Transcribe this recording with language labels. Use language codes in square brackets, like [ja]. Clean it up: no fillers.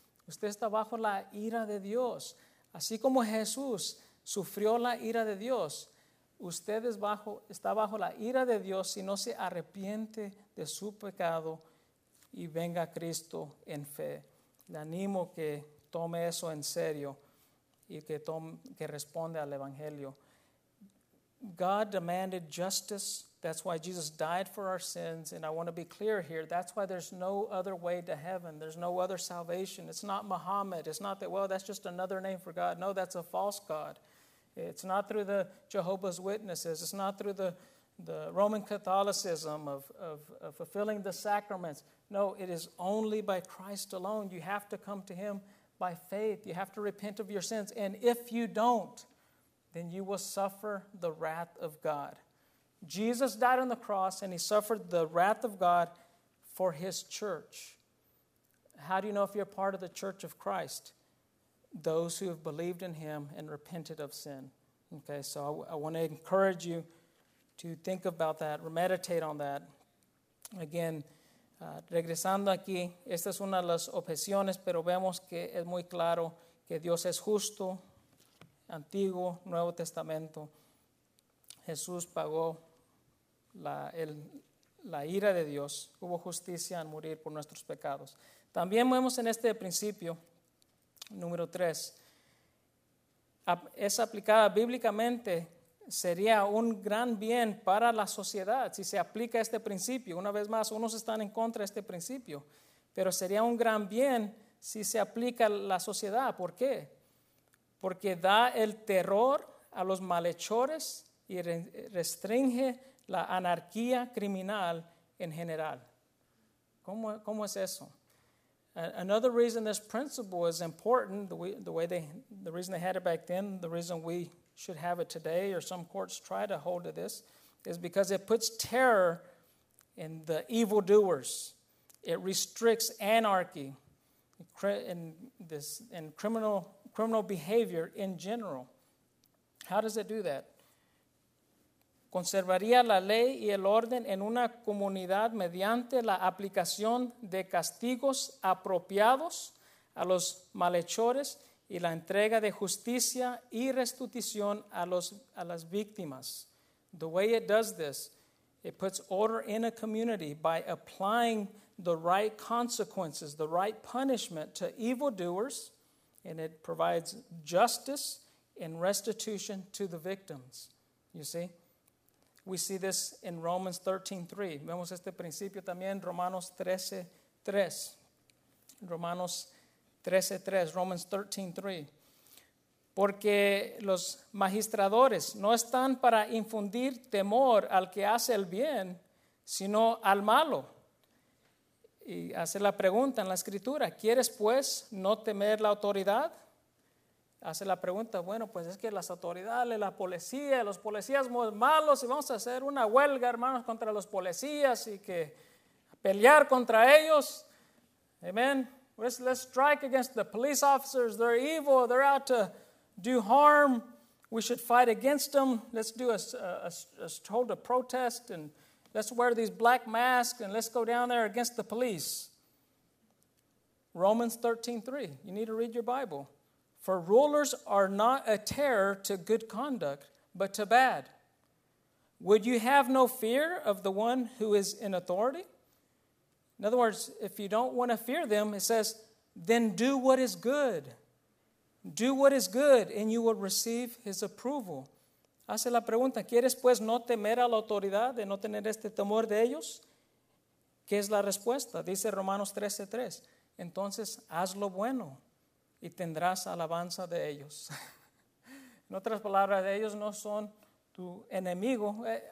[es] Usted está bajo la ira de Dios. Así como Jesús sufrió la ira de Dios, usted está bajo la ira de Dios si no se arrepiente de su pecado y venga a Cristo en fe. Le animo que tome eso en serio y que responda al Evangelio. [en] God demanded justice. That's why Jesus died for our sins. And I want to be clear here. That's why there's no other way to heaven. There's no other salvation. It's not Muhammad. It's not that, well, that's just another name for God. No, that's a false God. It's not through the Jehovah's Witnesses. It's not through the Roman Catholicism of fulfilling the sacraments. No, it is only by Christ alone. You have to come to him by faith. You have to repent of your sins. And if you don't, then you will suffer the wrath of God. Jesus died on the cross and he suffered the wrath of God for his church. How do you know if you're part of the church of Christ? Those who have believed in him and repented of sin. Okay, so I want to encourage you to think about that, meditate on that. Again, [es] regresando aquí, esta es una de las objeciones, pero vemos que es muy claro que Dios es justo, Antiguo, Nuevo Testamento. Jesús pagó la ira de Dios. Hubo justicia al morir por nuestros pecados. También vemos en este principio, número 3, es aplicada bíblicamente, sería un gran bien para la sociedad si se aplica este principio. Una vez más, unos están en contra de este principio, pero sería un gran bien si se aplica a la sociedad. ¿Por qué? Porque da el terror a los malhechores y restringe la anarquía criminal en general. ¿Cómo es eso? [en] Another reason this principle is important, the reason they had it back then, the reason we should have it today, or some courts try to hold to this, is because it puts terror in the evildoers. It restricts anarchy and criminal behavior in general. How does it do that? [es] Conservaría la ley y el orden en una comunidad mediante la aplicación de castigos apropiados a los malhechores y la entrega de justicia y restitución a las víctimas. [en] The way it does this, it puts order in a community by applying the right consequences, the right punishment to evildoers, and it provides justice and restitution to the victims. You see? We see this in Romans 13:3. [es] Vemos este principio también, Romanos 13:3. Romanos 13:3, [en] Romans 13:3. [es] Porque los magistradores no están para infundir temor al que hace el bien, sino al malo. Y hace la pregunta en la escritura, ¿quieres pues no temer la autoridad? Hace la pregunta, bueno, pues es que las autoridades, la policía, los policías muy malos, y vamos a hacer una huelga, hermanos, contra los policías y que pelear contra ellos. Amen. [en] Let's strike against the police officers. They're evil. They're out to do harm. We should fight against them. Let's do a protest and let's wear these black masks and let's go down there against the police. Romans 13:3. You need to read your Bible. For rulers are not a terror to good conduct, but to bad. Would you have no fear of the one who is in authority? In other words, if you don't want to fear them, it says, then do what is good. Do what is good, and you will receive his approval. [es] Hace la pregunta, ¿quieres pues no temer a la autoridad, de no tener este temor de ellos? ¿Qué es la respuesta? Dice Romanos 13:3. Entonces, haz lo bueno. Y tendrás alabanza de ellos. En otras palabras, ellos no son tu enemigo.